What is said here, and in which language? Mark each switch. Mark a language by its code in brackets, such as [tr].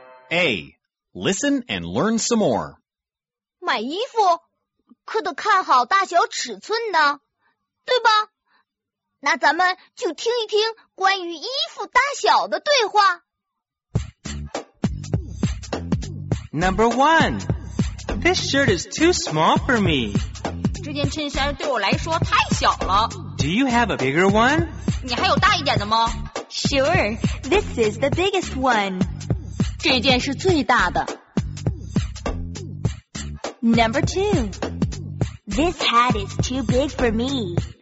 [en] A. Listen and learn some more. [zh] 买衣服可得看好大小尺寸呢，对吧？那咱们就听一听关于衣服大小的对话。 [en] Number one, this shirt is too small for me. [zh] 这件衬衫对我来说太小了。 [en] Do you have a bigger one? [zh] 你还有大一点的吗？ [en] Sure, this is the biggest one. [zh] 这件是最大的。 [en] Number two. This hat is too big for me.